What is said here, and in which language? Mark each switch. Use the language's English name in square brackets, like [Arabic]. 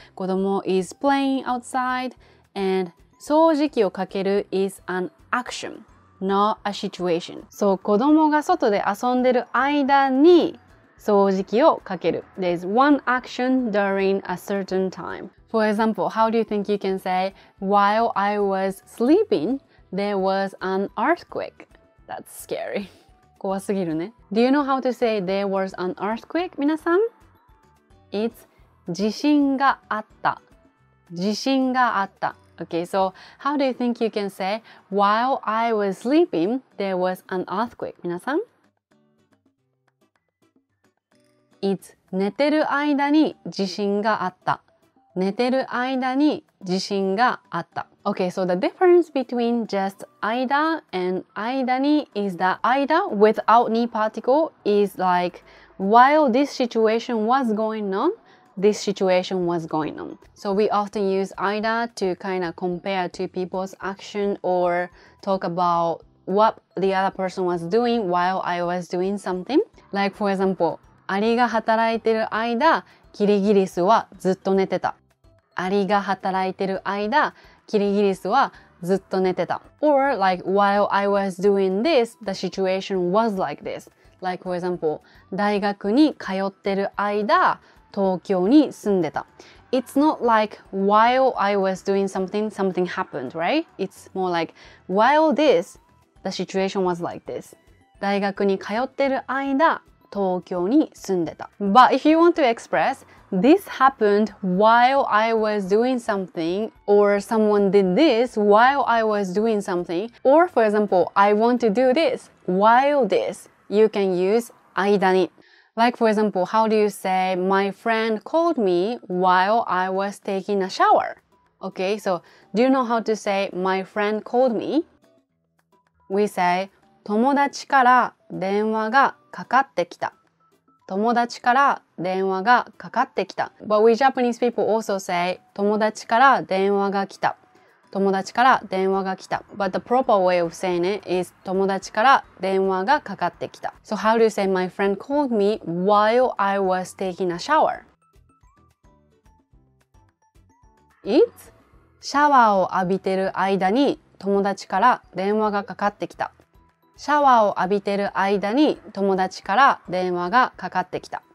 [English] 子供 is playing outside and 掃除機をかける is an action, not a situation. [Japanese] So 子供が外で遊んでる間に掃除機をかける。 [English] There's one action during a certain time. For example, how do you think you can say while I was sleeping, there was an earthquake? That's scary. [Japanese] 怖すぎるね。 [English] Do you know how to say there was an earthquake, 皆さん? [Japanese] It's 地震があった。地震があった。 [English] Okay, so how do you think you can say while I was sleeping, there was an earthquake, 皆さん? [Japanese] It's 寝てる間に地震があった。寝てる間に地震があった。 [English] Okay, so the difference between just 間 and 間に is that 間 without ni particle is like while this situation was going on, this situation was going on. So we often use 間 to kind of compare two people's action or talk aboutwhat the other person was doing while I was doing something. [Japanese] Like for example, アリが働いてる間、キリギリスはずっと寝てた。アリが働いてる間、キリギリスはずっと寝てた。 [English] Or like while I was doing this, the situation was like this. Like for example, [Japanese] 大学に通ってる間、東京に住んでた。 [English] It's not like while I was doing something, something happened, right? It's more like while this,The situation was like this. [Japanese] 大学に通ってる間、東京に住んでた。 [English] But if you want to express this happened while I was doing something or someone did this while I was doing something or for example I want to do this while this you can use 間に。 Like for example how do you say my friend called me while I was taking a shower? Okay, so do you know how to say my friend called me? [Japanese] We say, 友達から電話がかかってきた。友達から電話がかかってきた。 [English] But we Japanese people also say, [Japanese] 友達から電話が来た。友達から電話が来た。 [English] But the proper way of saying it is, [Japanese] 友達から電話がかかってきた。 [English] So how do you say, my friend called me while I was taking a shower? [Japanese] It's, シャワーを浴びてる間に、友達から電話がかかってきた。シャワーを浴びてる間に友達から電話がかかってきた。